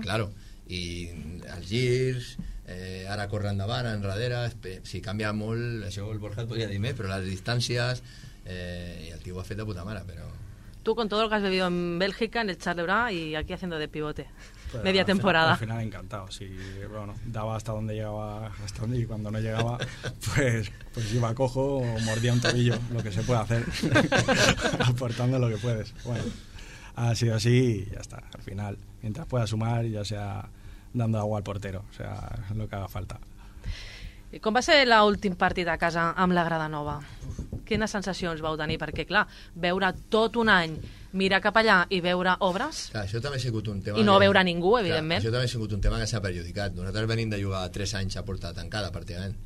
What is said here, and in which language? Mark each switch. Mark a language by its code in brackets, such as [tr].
[ca] Claro, i els girs, ara corre endavant, enrere, si canvia molt, això el Borja et podria dir més, però les distàncies, i el tio ho ha fet de puta mare, però... [es] Tu, con todo lo que has vivido en Bélgica, en el Charles de Bras, y aquí haciendo de pivote, pero media temporada. Al final encantado. Sí, bueno, daba hasta donde llegaba, hasta donde, y cuando no llegaba, pues iba a cojo o mordía un tobillo, lo que se puede hacer, aportando lo que puedes. Bueno, ha sido así y ya está, al final. Mientras pueda sumar, ya sea dando agua al portero, o sea, lo que haga falta. [ca] Com va ser la última partida a casa amb la grada nova? Quines sensacions vau tenir? Perquè, clar, veure tot un any, mirar cap allà i veure obres... Clar, això també ha sigut un tema... I no veure ningú, evidentment. Clar, això també ha sigut un tema que s'ha perjudicat. Nosaltres venim de jugar 3 anys a porta tancada, pràcticament.